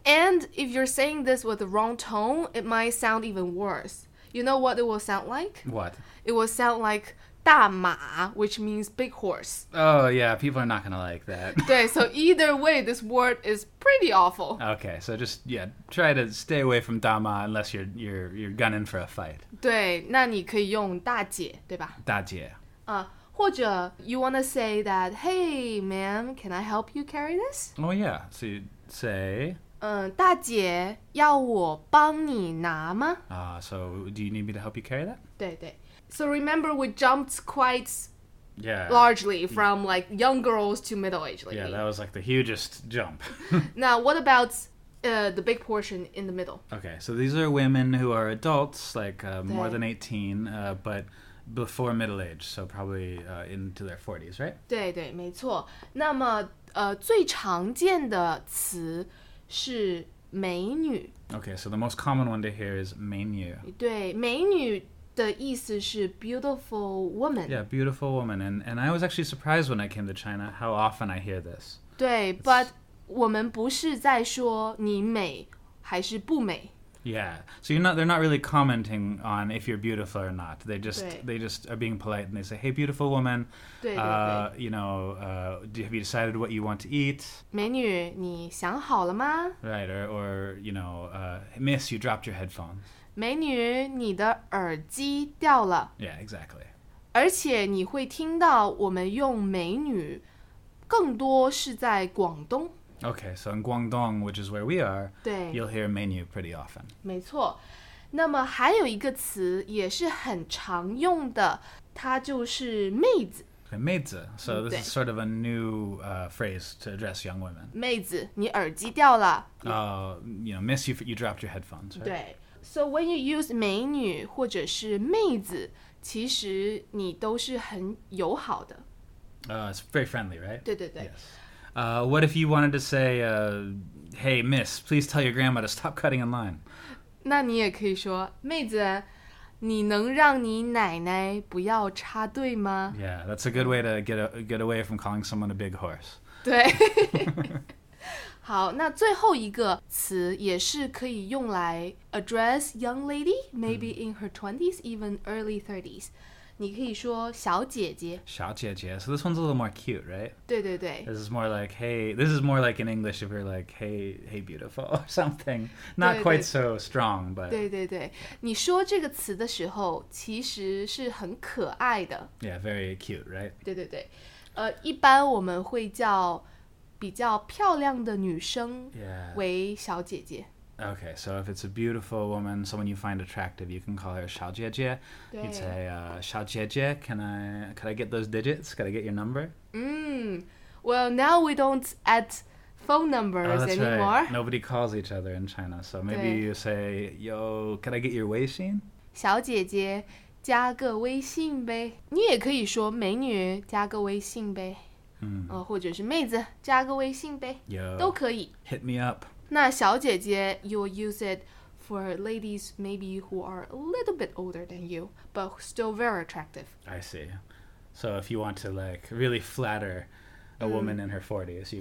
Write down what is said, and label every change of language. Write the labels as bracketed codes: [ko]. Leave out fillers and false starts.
[en] And if you're saying this with the wrong tone, it might sound even worse. You know what it will sound like? What? It will sound like, 大马, which means big horse. Oh, yeah, people are not going to like that. 对, so either way, this word is pretty awful. Okay, so just, yeah, try to stay away from 大马 unless you're gunning for a fight. [zh] 对, 那你可以用大姐,对吧? 大姐。或者 [en] you want to say that, hey, ma'am, can I help you carry this? Oh, yeah, so you'd say... [zh] 大姐,要我帮你拿吗? [en] So do you need me to help you carry that? 对对。So remember, we jumped quite yeah. largely from like young girls to middle-aged ladies. Yeah, that was like the hugest jump. Now, what about the big portion in the middle? Okay, so these are women who are adults, like more than 18, but before middle age, so probably into their 40s, right? [zh] 对对，没错。那么最常见的词是美女。 [en] Okay, so the most common one to hear is 美女。对，美女。The [zh] 意思是 [en] beautiful woman. Yeah, beautiful woman. And I was actually surprised when I came to China how often I hear this. [zh] 对, but 我们不是在说你美还是不美。 [en] Yeah, so you're not, they're not really commenting on if you're beautiful or not. They just are being polite and they say, hey, beautiful woman, [zh] 对对对。 [en] You know, have you decided what you want to eat? [zh] 美女,你想好了吗? [en] Right, or you know, miss, you dropped your headphones. [zh] 美女,你的耳机掉了。 [en] Yeah, exactly. [zh] 而且你会听到我们用美女更多是在广东。 [en] Okay, so in Guangdong, which is where we are, [zh] 对, [en] you'll hear 美女 pretty often. [zh] 没错。那么还有一个词也是很常用的,它就是妹子。 [en] Okay, 妹子。So this is sort of a new phrase to address young women. [zh] 妹子,你耳机掉了。 [en] You know, miss, you dropped your headphones, right? [zh] 对。 [en] So when you use [zh] 美女或者是妹子,其实你都是很友好的。 [en] It's very friendly, right? [zh] 对对对。 [en] Yes. What if you wanted to say, hey, miss, please tell your grandma to stop cutting in line? [zh] 那你也可以说,妹子,你能让你奶奶不要插队吗? [en] Yeah, that's a good way to get away from calling someone a big horse. [zh] 对。好，那最后一个词也是可以用来 [en] address young lady, maybe in her 20s, even early 30s. [zh] 你可以说小姐姐。小姐姐。 [en] So this one's a little more cute, right? [zh] 对对对。 [en] This is more like, hey, this is more like in English if you're like, hey beautiful or something. Not quite so strong, but... [zh] 对对对。你说这个词的时候其实是很可爱的。 [en] Yeah, very cute, right? [zh] 对对对。一般我们会叫比较漂亮的女生为小姐姐。 [en] Yeah. Okay, so if it's a beautiful woman, someone you find attractive, you can call her 小姐姐。 You'd say, 小姐姐, can I get those digits? Can I get your number? Well, now we don't add phone numbers anymore. Right. Nobody calls each other in China, so maybe you say, yo, can I get your 微信? [zh] 小姐姐加个微信呗。你也可以说美女加个微信呗。或者是妹子加个微信呗 [en] Yo, [zh] 都可以 [en] Hit me up [zh] 那小姐姐 [en] You'll use it for ladies maybe who are a little bit older than you but still very attractive I see So if you want to like really flatter a woman in her 40s you